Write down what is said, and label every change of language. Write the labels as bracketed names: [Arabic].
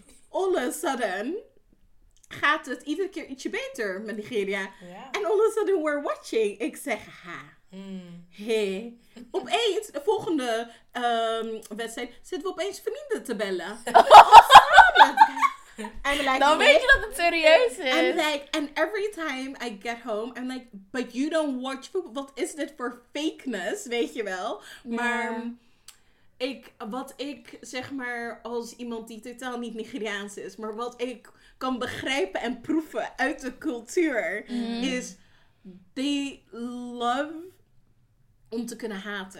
[English] All of a sudden [Dutch] gaat het iedere keer ietsje beter met Nigeria. [English] En all of a sudden we're watching. [Dutch] Ik zeg, [English] ha. Hey. [Dutch] Opeens, de volgende wedstrijd, zitten we opeens vrienden te bellen. En like, dan weet je dat het serieus is. [English] And like, and every time I get home, I'm like, but you don't watch football. What is this for fakeness, [Dutch] weet je wel? [English] Yeah. [Dutch] Maar wat ik zeg maar als iemand die totaal niet Nigeriaans is, maar wat ik kan begrijpen en proeven uit de cultuur, is [English] they love [Dutch] om te kunnen haten.